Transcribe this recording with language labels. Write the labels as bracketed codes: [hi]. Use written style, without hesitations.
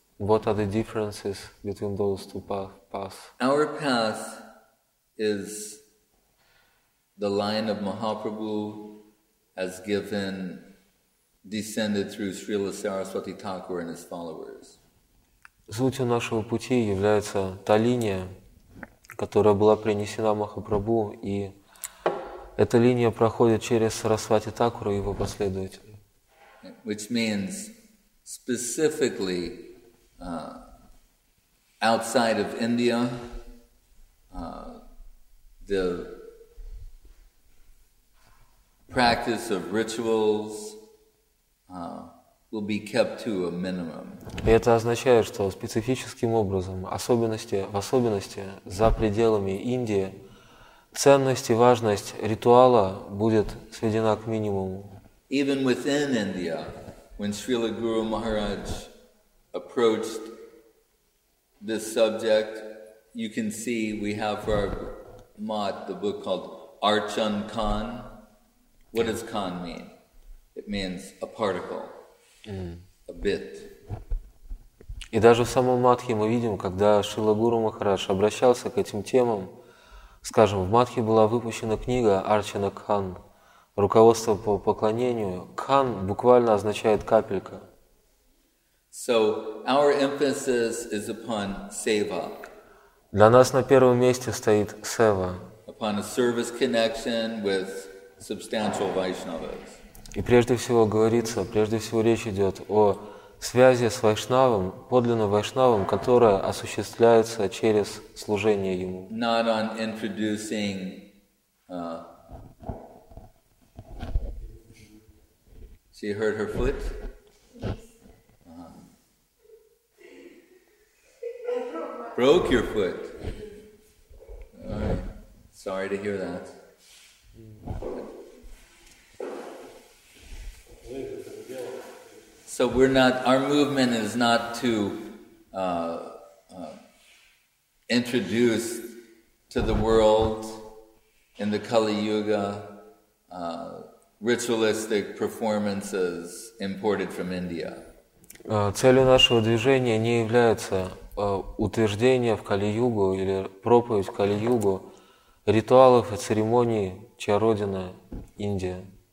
[en] What are the differences between those two paths? Our path is the line of Mahaprabhu as given, descended through Srila Saraswati Thakur and his followers. [ru] Сутью нашего пути является та линия, которая была принесена Махапрабху, и эта линия проходит через Сарасвати Такуру и его последователей. [en] Which means specifically outside of India, the practice of rituals will be kept to a minimum. [ru] И это означает, что специфическим образом, в особенности за пределами Индии, ценность и важность ритуала будет сведена к минимуму. [en] Even within India, when Srila Guru Maharaj approached this subject, you can see we have for our mat the book called Archan Khan. What does Khan mean? It means a particle. A bit. [ru] И даже в самом Матхе мы видим, когда Шрила Гуру Махарадж обращался к этим темам, скажем, в Матхе была выпущена книга Арчана Кхан, руководство по поклонению. Кхан буквально означает капелька. [en] So our emphasis is upon seva. [ru] Для нас на первом месте стоит сева. [en] Upon a service connection with substantial Vaishnavas. [ru] И прежде всего говорится, прежде всего речь идет о связи с вайшнавом, подлинным вайшнавом, которая осуществляется через служение ему. [en] Not on introducing she hurt her foot. Broke your foot. Alright. Sorry to hear that. So we're not, our movement is not to introduce to the world in the Kali Yuga ritualistic performances imported from India. [ru] Целью нашего движения не является утверждение в Кали-Югу или проповедь в Кали-Югу ритуалов и церемоний, чья родина Индия.